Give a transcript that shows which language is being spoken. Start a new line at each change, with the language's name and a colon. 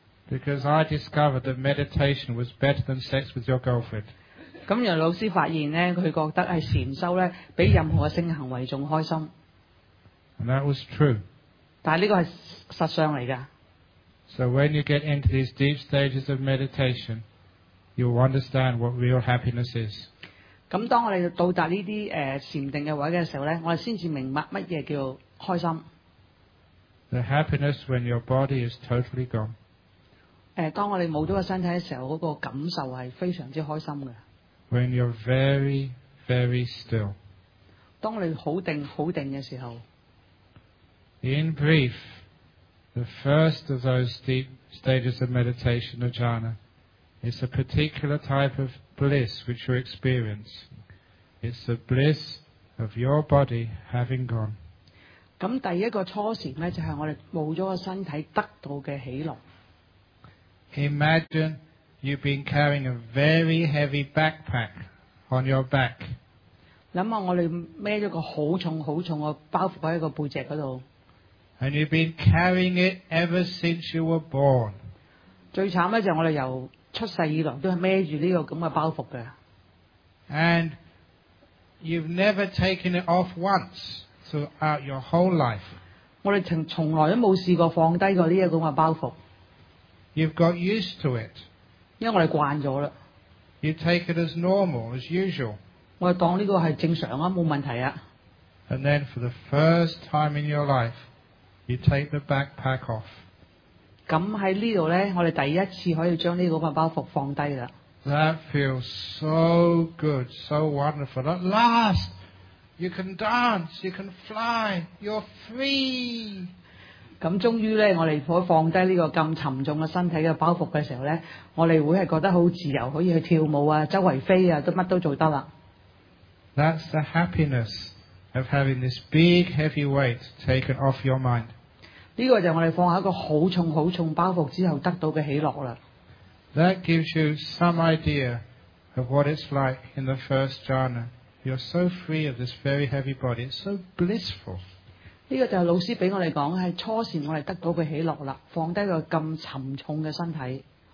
English: ？Because I discovered that meditation was better than sex with your girlfriend.
Cantonese: 咁由老師發現咧，佢覺得係禅修咧，比任何嘅性行為仲開心。
English: And that was true.
Cantonese: 但係呢個係實相嚟㗎。
English: So when you get into these deep stages of meditation, you'll understand what real happiness is.
Cantonese: 咁當我哋到達呢啲禅定嘅位嘅時候咧，我哋先至明白乜嘢叫開心。
English: The happiness when your body is totally gone.
Cantonese: 當我哋冇咗個身體嘅時候，那個感受係非常之開心嘅。
English: When you're very, very still.
Cantonese: 當你好定好定嘅時候。
English: In brief, the first of those deep stages of meditation, jhana, is a particular type of bliss which you experience. It's the bliss of your body having gone.
Cantonese: 咁第一個初禅咧，就係我哋冇咗個身體得到嘅喜樂。
English: Imagine. You've been carrying a very heavy backpack on your back.
Cantonese: 諗下我哋孭咗個好重好重嘅包袱喺個背脊嗰度。
English: And you've been carrying it ever since you were born.
Cantonese: 最慘咧就係我哋由出世以來都係孭住呢個咁嘅包袱嘅。
English: And you've never taken it off once throughout your whole life.
Cantonese: 我哋從來都冇試過放低過呢個咁嘅包袱。
English: You've got used to it.
Cantonese: 因為我哋慣咗啦。
English: You take it as normal, as usual.
Cantonese: 我哋當呢個係正常啊，冇問題啊。
English: And then for the first time in your life, you take the backpack off.
Cantonese: 咁喺呢度咧，我哋第一次可以將呢個包袱放低啦。
English: That feels so good, so wonderful. At last, you can dance, you can fly, you're free.
Cantonese: 咁終於咧，我哋可以放低呢個咁沉重嘅身體嘅包袱嘅時候咧，我哋會係覺得好自由，可以去跳舞啊，周圍飛啊，都乜都做得啦。
English: That's the happiness of having this big heavy weight taken off your mind。
Cantonese: 呢個就我哋放下一個好重好重包袱之後得到嘅喜樂啦。
English: That gives you some idea of what it's like in the first jhana. You're so free of this very heavy body. It's so blissful.
Cantonese: 呢、这個就係老師俾我哋講，係初時我哋得到嘅喜樂啦，放低個咁沉重嘅身體。